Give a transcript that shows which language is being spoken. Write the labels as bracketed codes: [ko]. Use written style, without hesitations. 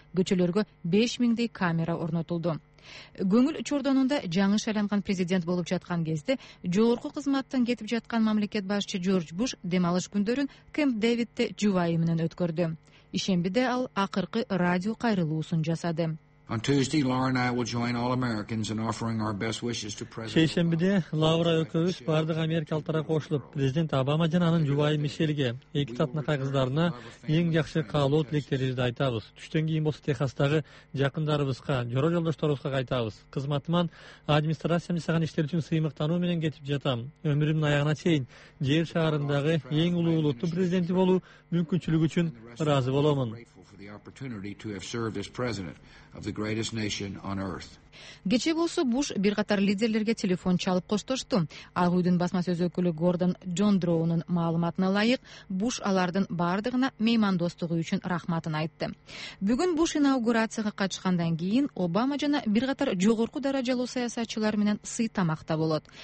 [ky] Көчөлөргө 5000 камера орнотулду. Көңүл чордонунда жаңы шайланган президент болуп жаткан кезде жогорку кызматтан кетип жаткан мамлекет башчы Джордж Буш дем алыш күндөрүн Кэмп Дэвидте жубайы менен өткөрдү. Ишембиде ал акыркы радио кайрылуусун жасады. [en] On Tuesday, Laura and I will join all Americans in offering our best wishes to President. [ky] Шейшембиде Лаура өкөбүз бардык америкалыктарга кошулуп, президент Обама жана анын жубайы Мишельге, эки татна кагыздарына эң жакшы каалоо тилектерибизди айтабыз. Түштөн кийин болсо Техастагы жакындарыбызга, жорол жолдошторубузга кайтабыз. Кызматыман администрациям жасаган иштер үчүн сыймыктануу менен кетип жатам. Өмүрүмдүн аягына чейин жер шаарындагы эң улуу улуттун президенти болуу мүмкүнчүлүгү үчүн ыраазы боломун. [en] The opportunity to have served as president of the greatest nation on earth. [ky] Кече болсо Буш бир катар лидерлерге телефон чалып коштошту. Ак Үйдүн басма сөз өкүлү Гордон Джондроунун маалыматына ылайык, Буш алардын бардыгына меймандостугу үчүн рахматын айтты. Бүгүн Буш инаугурацияга катышкандан кийин Обама жана бир катар жогорку даражалуу саясатчылар менен сый тамакта болот.